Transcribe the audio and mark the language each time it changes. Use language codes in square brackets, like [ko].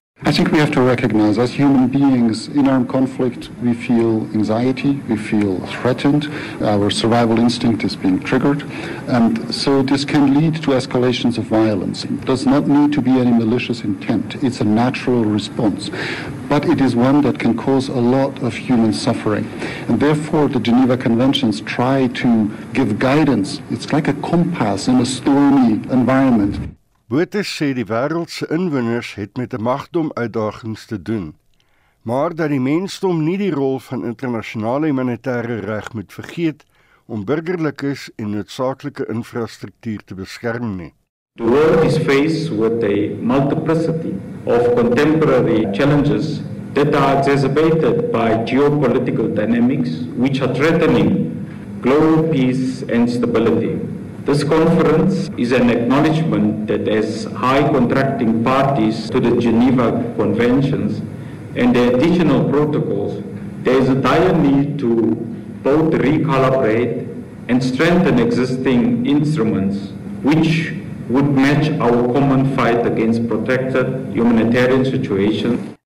[en] I think we have to recognize, as human beings in armed conflict, we feel anxiety, we feel threatened, our survival instinct is being triggered, and so this can lead to escalations of violence. It does not need to be any malicious intent, it's a natural response, but it is one that can cause a lot of human suffering. And therefore, the Geneva Conventions try to give guidance. It's like a compass in a stormy environment. [af] Botha sê die wêreldse inwoners het met 'n magdom uitdagings te doen, maar dat die mensdom nie die rol van internasionale humanitêre reg moet vergeet om burgerlikes en noodsaaklike infrastruktuur te beskerm nie. [en] The world is faced with a multiplicity of contemporary challenges that are exacerbated by geopolitical dynamics which are threatening global peace and stability. This conference is an acknowledgement that as high contracting parties to the Geneva Conventions and the additional protocols, there is a dire need to both recalibrate and strengthen existing instruments which would match our common fight against protected humanitarian situations.